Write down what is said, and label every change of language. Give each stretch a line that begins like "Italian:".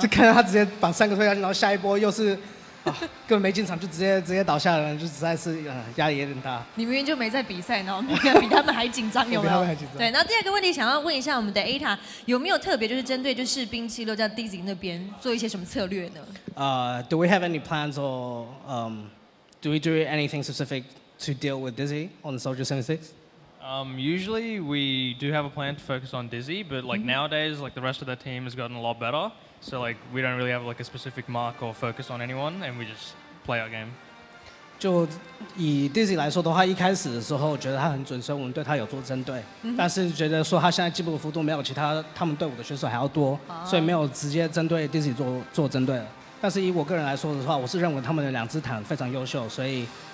Chinese: 就看到他直接把三个推下去，然后下一波又是。啊、根本没进场就直接倒下了，就实在是压力也很大。你明明就没在比赛，然后比他们还紧张，有没有？比他们还紧张。对，那第二个问题想要问一下我们的 Ata， 有没有特别就是针对就士兵76在 Dizzy 那边做一些什么策略呢？
English: Do we have any plans or do we do anything specific to deal with Dizzy on Soldier 76？ Usually we do have a plan to focus on Dizzy, but like nowadays like the rest of the team has gotten a lot better. So like we don't really have like a specific mark or focus on anyone, and we just play our game.
Chinese: 就以 Dizzy 来说的话，一开始的时候觉得他很准，所以我们对他有做针对。 Mm-hmm. 但是觉得说他现在进步的幅度没有其他们队伍的选手还要多， oh. 所以没有直接针对 Dizzy 做针对。但是以我个人来说的话，我是认为他们的两支坦非常优秀，所以。